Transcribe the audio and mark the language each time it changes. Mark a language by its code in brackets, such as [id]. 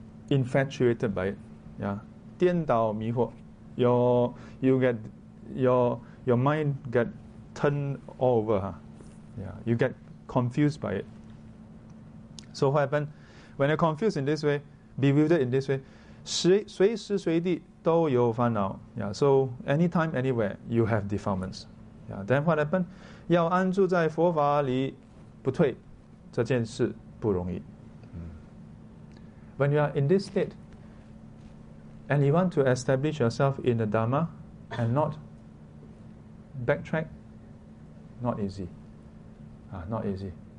[en] Infatuated by it, yeah. [zh] 颠倒迷惑, [en] your mind get turned all over, huh? Yeah, you get confused by it. So what happened? When you're confused in this way, bewildered in this way, [zh] 随时随地都有烦恼, [en] yeah. So anytime, anywhere, you have defilements, yeah. Then what happened? [zh] 要安住在佛法里不退这件事不容易. [en] When you are in this state and you want to establish yourself in the Dharma and not backtrack, not easy. Not easy.